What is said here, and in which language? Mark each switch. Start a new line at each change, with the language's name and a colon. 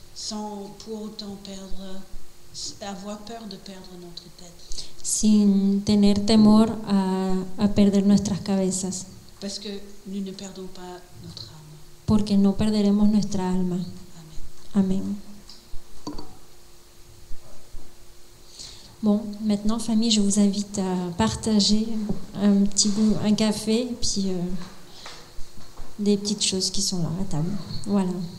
French: sans pour autant perdre, avoir peur de perdre notre tête.
Spanish: Sin tener temor a perder nuestras cabezas.
French: Parce que nous ne perdons pas notre âme.
Spanish: Porque no perderemos nuestra alma.
French: Amén. Bon, maintenant, famille, je vous invite à partager un petit bout, un café, puis des petites choses qui sont là à table. Voilà.